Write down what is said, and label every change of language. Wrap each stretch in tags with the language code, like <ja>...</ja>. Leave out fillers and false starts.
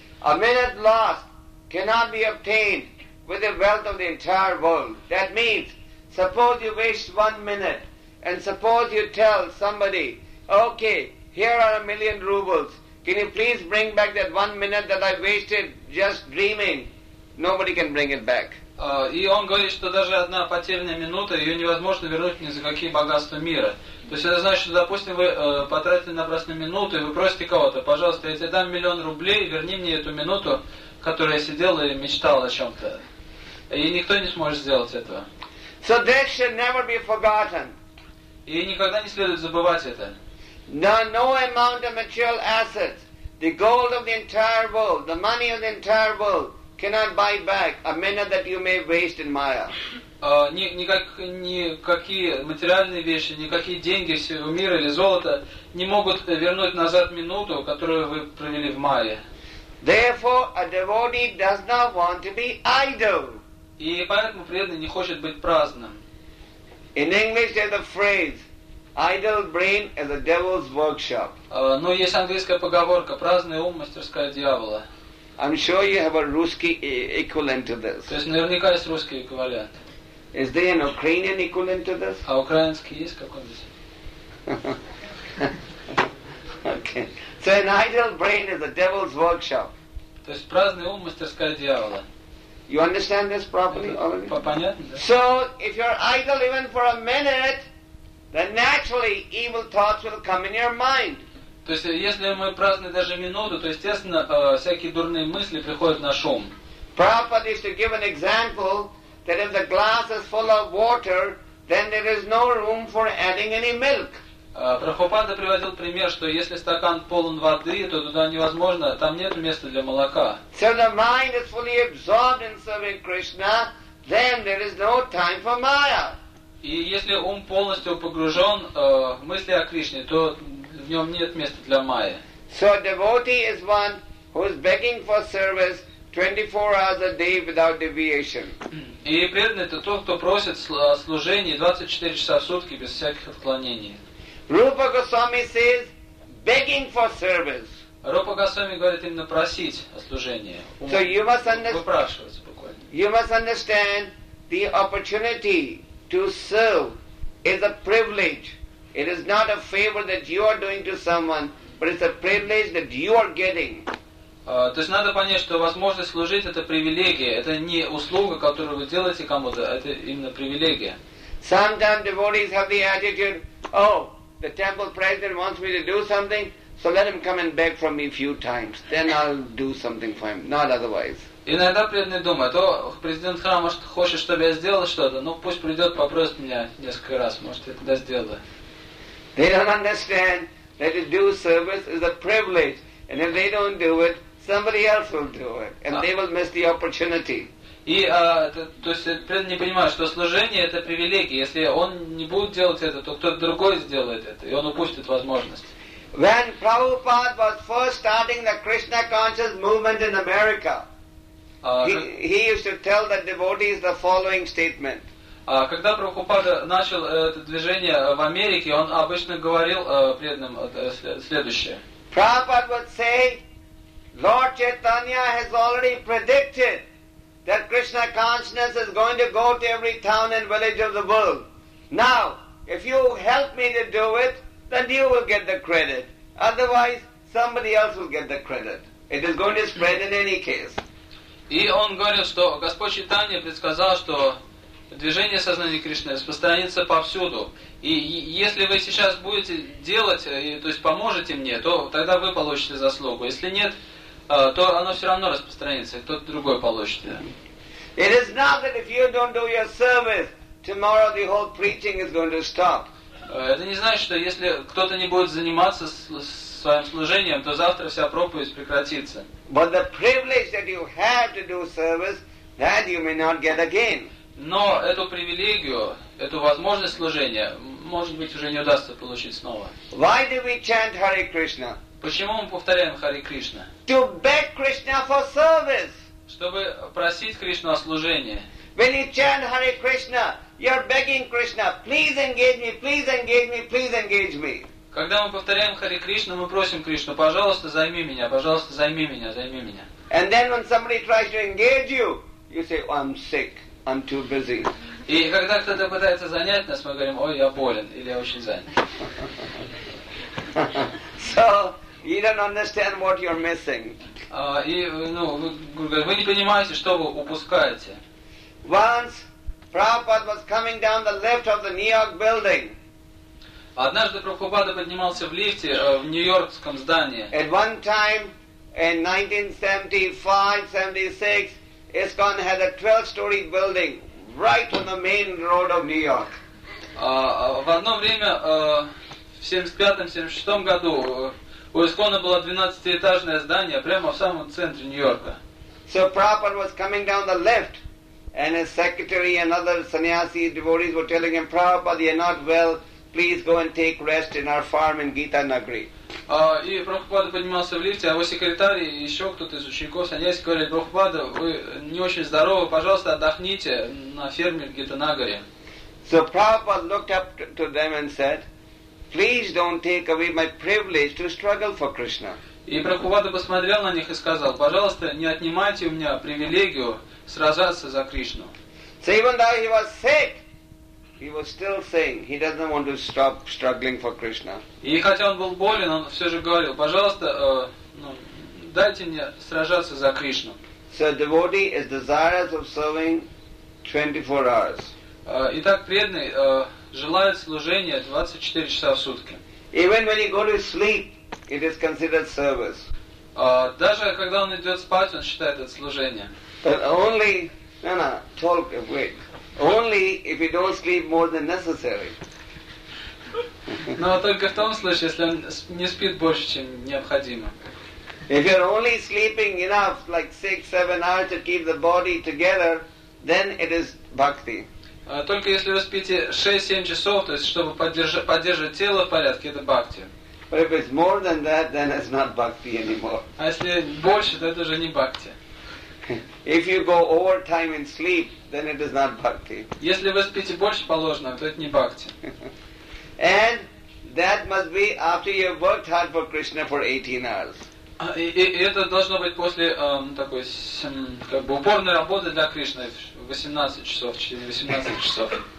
<en>A minute lost cannot be obtained with the wealth of the entire world." That means, suppose you waste 1 minute, and suppose you tell somebody, "Okay, here are 1,000,000 rubles. Can you please bring back that 1 minute that I wasted just dreaming?" Nobody can bring it back.</en> <ru>И он говорит, что даже одна потерянная минута, ее невозможно вернуть ни за какие богатства мира. То есть это значит, что, допустим, вы потратили напрасно минуту, и вы просите кого-то, пожалуйста, я тебе дам 1,000,000 рублей, верни мне эту минуту, которую я сидел и мечтал о чем-то. И никто не сможет сделать этого.</ru> <en>So this should never be forgotten.</en> <ru>И никогда не следует забывать это.</ru> <en>No amount of material assets, the gold of the entire world, the money of the entire world, cannot buy back a minute that you may waste in Maya.</en> <ru>Никакие материальные вещи, никакие деньги всего мира или золото не могут вернуть назад минуту, которую вы провели в Майе.</ru> <en>Therefore, a devotee does not want to be idle.</en> <ru>И поэтому преданный не хочет быть праздным.</ru> <en>In English, there's a phrase, "Idle brain is a devil's workshop."</en> <ru>Но есть английская поговорка: "Праздный ум — мастерская дьявола."</ru> <en>I'm sure you have a Russian equivalent to this.</en> <ru>То есть наверняка есть русский эквивалент.</ru> <en>Is there an Ukrainian equivalent to this?</en> <ru>А украинский есть какой-нибудь?</ru> <en>Okay. So an idle brain is a devil's workshop.</en> <ru>То есть праздный ум — мастерская дьявола.</ru> <en>You understand this properly?</en> <ru>Понятно, да?</ru> <en>So if you're idle even for a minute, then naturally evil thoughts will come in your mind.</en> <ru>То есть, если мы празднуем даже минуту, то, естественно, всякие дурные мысли приходят на шум.</ru> <en>Prabhupada used to give an example that if the glass is full of water, then there is no room for adding any milk.</en> <ru>Прабхупада приводил пример, что если стакан полон воды, то туда невозможно, там нет места для молока.</ru> <en>So the mind is fully absorbed in serving Krishna, then there is no time for Maya.</en> <ru>И если ум полностью погружен в мысли о Кришне, то в нем нет места для майя.</ru> <en>So a devotee is one who is begging for service 24 hours a day without deviation.</en> <ru>И преданный — это тот, кто просит служения 24 часа в сутки без всяких отклонений.</ru> <en>Rupa Goswami says, begging for service.</en> <ru>Rupa Goswami говорит именно просить о служении.</ru> <en>So you must</en> <ru>выпрашивать буквально.</ru> <en>You must understand the opportunity to serve is a privilege. It is not a favor that you are doing to someone, but it's a privilege that you are getting.</en> <ru>То есть надо понять, что возможность служить — это привилегия, это не услуга, которую вы делаете кому-то, это именно привилегия.</ru> <en>Sometimes devotees have the attitude, "Oh, the temple president wants me to do something, so let him come and beg from me a few times. Then I'll do something for him, not otherwise."</en> <ru>Иногда преданный думает: о, президент храма хочет, чтобы я сделал что-то, ну пусть придет, попросит меня несколько раз, может, я тогда сделаю.</ru> <en>They don't understand that to do service is a privilege, and if they don't do it, somebody else will do it, and they will miss the opportunity.</en> <ru>То есть преданный не понимает, что служение — это привилегия. Если он не будет делать это, то кто-то другой сделает это, и он упустит возможность.</ru> <en>When Prabhupada was first starting the Krishna conscious movement in America, he used to tell the devotees the following statement.</en> <ru>Когда Прабхупада начал это движение в Америке, он обычно говорил преданным следующее.</ru> <en>Prabhupada would say, "Lord Chaitanya has already predicted that Krishna consciousness is going to go to every town and village of the world. Now, if you help me to do it, then you will get the credit. Otherwise, somebody else will get the credit. It is going to spread in any case."</en> <ru>И он говорил, что Господь Чайтанья предсказал, что движение сознания Кришны распространится повсюду. И если вы сейчас будете делать, то есть поможете мне, то тогда вы получите заслугу. Если нет, то оно все равно распространится, и кто-то другой получит.</ru> <en>It is not that if you don't do your service, tomorrow the whole preaching is going to stop.</en> <ru>Это не значит, что если кто-то не будет заниматься своим служением, то завтра вся проповедь прекратится.</ru> <en>But the privilege that you have to do service, that you may not get again.</en> <ru>Но эту привилегию, эту возможность служения, может быть, уже не удастся получить снова.</ru> <en>Why do we chant Hare Krishna?</en> <ru>Почему мы повторяем Хари Кришна?</ru> <en>To beg Krishna for service.</en> <ru>Чтобы просить Кришну о служении.</ru> <en>When you chant Hare Krishna, you are begging Krishna, please engage me, please engage me, please engage me.</en> <ru>Когда мы повторяем Хари Кришна, мы просим Кришну, пожалуйста, займи меня, займи меня.</ru> <en>And then when somebody tries to engage you, you say, oh, I'm sick, I'm too busy.</en> <ru>И когда кто-то пытается занять нас, мы говорим, ой, я болен, или я очень занят.</ru> <en>So, you don't understand what you're missing.</en> <ru>Вы не понимаете, что вы упускаете.</ru> <en>Once Prabhupada was coming down the lift of the New York building.</en> <ru>Однажды Прабхупада поднимался в лифте в Нью-Йоркском здании.</ru> <en>At one time in 1975-76, ISKCON had a 12-story building right on the main road of New York.</en> <ru>В одно время в 75-76 году у ИСКОНа было 12-этажное здание прямо в самом центре Нью-Йорка.</ru> <en>So Prabhupada was coming down the lift. And his secretary and other sannyasi devotees were telling him, Prabhupada, you're not well, please go and take rest in our farm in Gita Nagari.</en> <ru>И Прабхупада поднимался в лифте, а его секретарь и еще кто-то из учеников сannyasi говорит, Прабхупада, вы не очень здоровы, пожалуйста, отдохните на ферме в Гита Нагари.</ru> <en>So Prabhupada looked up to them and said, please don't take away my privilege to struggle for Krishna.</en> <ru>И Прабхупада посмотрел на них и сказал, пожалуйста, не отнимайте у меня привилегию сражаться за Кришну.</ru> <en>So even though he was sick, he was still saying he doesn't want to stop struggling for Krishna.</en> <ru>И хотя он был болен, он все же говорил, пожалуйста, дайте мне сражаться за Кришну.</ru> <en>So a devotee is desirous of serving 24 hours.</en> <ru>Итак, преданный желает служения 24 часа в сутки.</ru> <en>Even when he goes to sleep, it is considered service.</en> <ru>Даже когда он идет спать, он считает это служение.</ru> <en>But only, wait. Only if you don't sleep more than necessary.</en> <ru>Но только в том случае, если он не спит больше, чем необходимо.</ru> <en>If you're only sleeping enough, like 6-7 hours to keep the body together, then it is bhakti.</en> <ru>Только если вы спите 6-7 часов, то есть чтобы поддерживать тело в порядке, это бхакти.</ru> <en>But if it's more than that, then it's not bhakti anymore.</en> <ru>А если больше, то это уже не бхакти.</ru> <en>If you go over time in sleep, then it is not bhakti.</en> <ru>Если вы спите больше положенного, то это не бхакти.</ru> <en>And that must be after you have worked hard for Krishna for 18 hours.</en> <ru>И это должно быть после такой как бы упорной работы для Кришны 18 часов, через 18 часов.</ru>